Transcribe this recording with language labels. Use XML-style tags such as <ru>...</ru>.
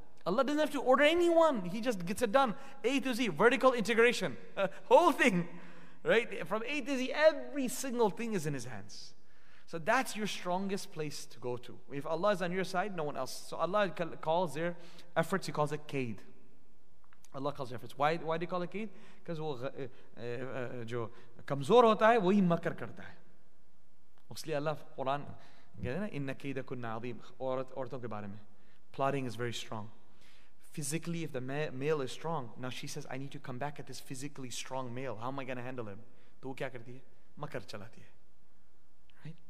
<en>Allah doesn't have to order anyone. He just gets it done. A to Z, vertical integration. Whole thing, right? From A to Z, every single thing is in His hands. So that's your strongest place to go to. If Allah is on your side, no one else. So Allah calls their efforts, He calls it kaid. Allah calls their efforts. Why do you call it kaid?</en> <ur>Because جو کمزور ہوتا ہے، وہی مکر کرتا ہے۔ اسلیے اللہ قرآن کہتے نا اِنّ کیدکن نعظیم، عورتوں کے بارے میں۔</ur> <en>Plotting is very strong. Physically, if the male is strong, now she says, I need to come back at this physically strong male. How am I going to handle him?</en> <ur>تو کیا کرتی ہے؟ مکر چلاتی ہے۔</ur>